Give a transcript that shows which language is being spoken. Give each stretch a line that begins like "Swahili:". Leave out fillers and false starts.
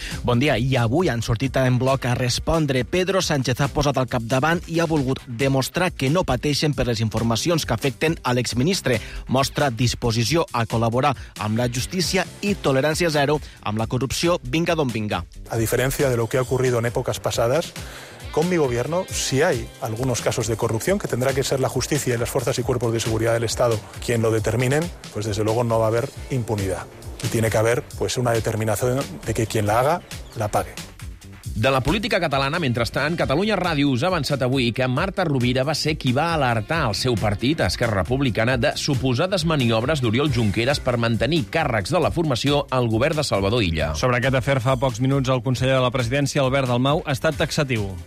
Catalan: Bon dia. I avui han sortit en bloc a respondre. Pedro Sánchez ha posat al capdavant i ha volgut demostrar que no pateixen per les informacions que afecten a l'exministre. Mostra disposició a col·laborar amb la justícia i tolerància zero amb la corrupció, vinga d'on vinga.
Spanish: A diferència de lo que ha ocurrido en épocas pasadas, con mi gobierno, si hay algunos casos de corrupción, que tendrá que ser la justicia y las fuerzas y cuerpos de seguridad del Estado quien lo determinen, pues desde luego no va a haber impunidad. Y tiene que haber pues una determinación de que quien la haga la pague.
Catalan: De la política catalana, mentrestant, Catalunya Ràdio us ha avançat avui que Marta Rovira va ser qui va alertar el seu partit, Esquerra Republicana, de suposades maniobres d'Oriol Junqueras per mantenir càrrecs de la formació al govern de Salvador Illa. Sobre aquest afer, fa pocs minuts, el conseller de la Presidència, Albert Dalmau, ha estat taxatiu.